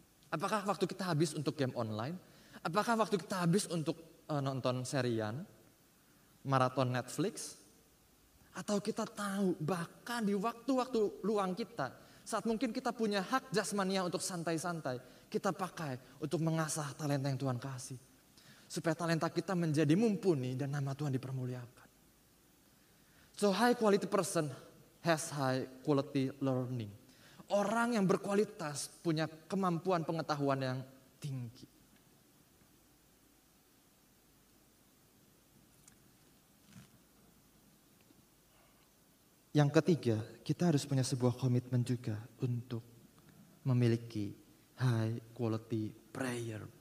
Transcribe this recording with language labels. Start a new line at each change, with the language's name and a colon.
Indonesian: Apakah waktu kita habis untuk game online? Apakah waktu kita habis untuk nonton serian? Maraton Netflix? Atau kita tahu bahkan di waktu-waktu luang kita, saat mungkin kita punya hak jasmania untuk santai-santai, kita pakai untuk mengasah talenta yang Tuhan kasih. Supaya talenta kita menjadi mumpuni dan nama Tuhan dipermuliakan.
English: So high quality person has high quality learning.
Indonesian: Orang yang berkualitas punya kemampuan pengetahuan yang tinggi. Yang ketiga, kita harus punya sebuah komitmen juga untuk memiliki
English: high quality prayer.